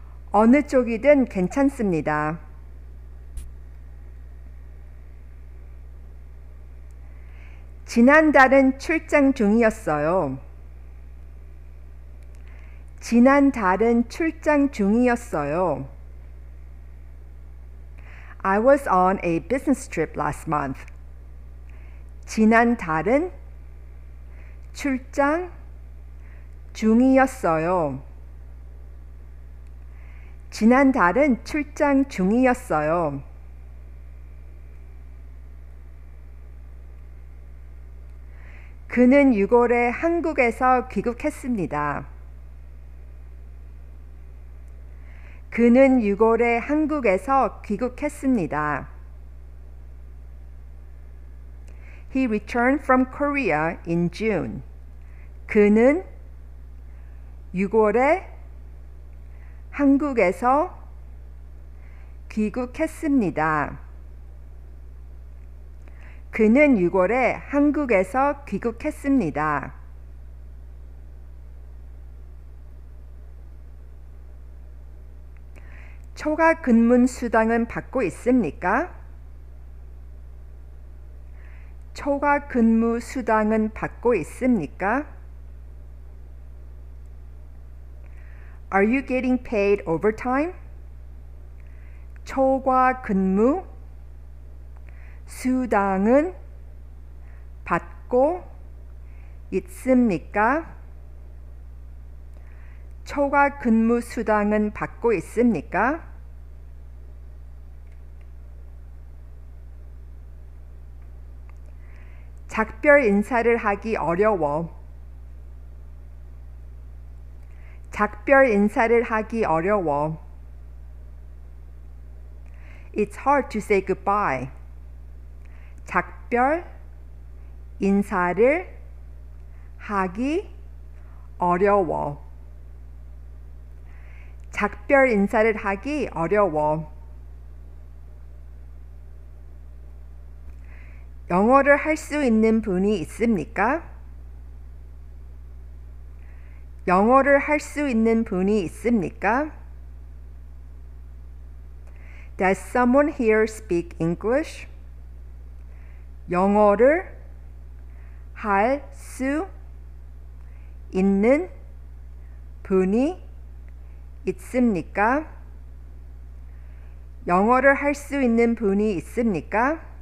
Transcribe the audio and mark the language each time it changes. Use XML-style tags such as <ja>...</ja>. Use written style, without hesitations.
<ko>어느 쪽이든 괜찮습니다. 지난달은 출장 중이었어요. 지난달은 출장 중이었어요.</ko> <en>I was on a business trip last month.</en> <ko>지난달은 출장 중이었어요. 지난달은 출장 중이었어요. 그는 6월에 한국에서 귀국했습니다. 그는 6월에 한국에서 귀국했습니다.</ko> <en>He returned from Korea in June.</en> <ko>그는 6월에 한국에서 귀국했습니다. 그는 6월에 한국에서 귀국했습니다. 초과 근무 수당은 받고 있습니까? 초과 근무 수당은 받고 있습니까?</ko> <en>Are you getting paid overtime?</en> <ko>초과 근무 수당은 받고 있습니까? 초과 근무 수당은 받고 있습니까? 작별 인사를 하기 어려워. 작별 인사를 하기 어려워.</ko> <en>It's hard to say goodbye.</en> <ko>작별, 인사를 하기 어려워. 작별 인사를 하기 어려워. 영어를 할 수 있는 분이 있습니까? 영어를 할 수 있는 분이 있습니까?</ko> <en>Does someone here speak English?</en> <ko>영어를 할 수 있는 분이 있습니까? 영어를 할 수 있는 분이 있습니까?</ko>